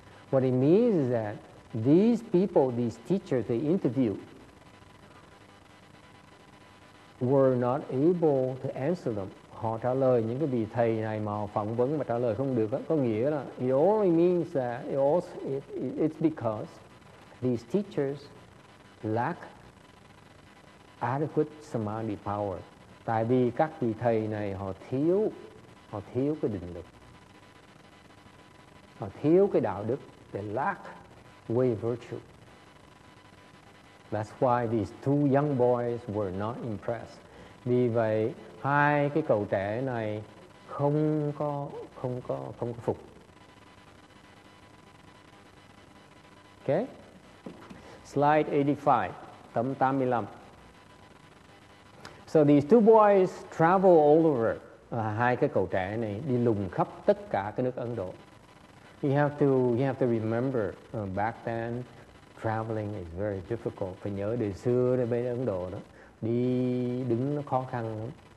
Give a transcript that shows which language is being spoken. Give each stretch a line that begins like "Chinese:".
English: What it means is that these people, these teachers they interview, were not able to answer them.
Vietnamese: Họ trả lời những cái vị thầy này mà phỏng vấn mà trả lời không được đó, có nghĩa là
English: it only means that it's because these teachers lack adequate samadhi power.
Vietnamese: Tại vì các vị thầy này họ thiếu cái định lực, họ thiếu cái đạo đức,
English: they lack way virtue. That's why these two young boys were not impressed.
Vietnamese: Vì vậy hai cái cậu trẻ này không có phục.
English: Okay, slide 85,
Vietnamese: tấm 85.
English: So these two boys travel all over.
Vietnamese: Hai cái cậu trẻ này đi lùng khắp tất cả cái nước Ấn Độ.
English: You have to remember back then traveling is very difficult.
Vietnamese: Phải nhớ đời xưa đó, bên Ấn Độ đó đi đứng nó khó khăn lắm.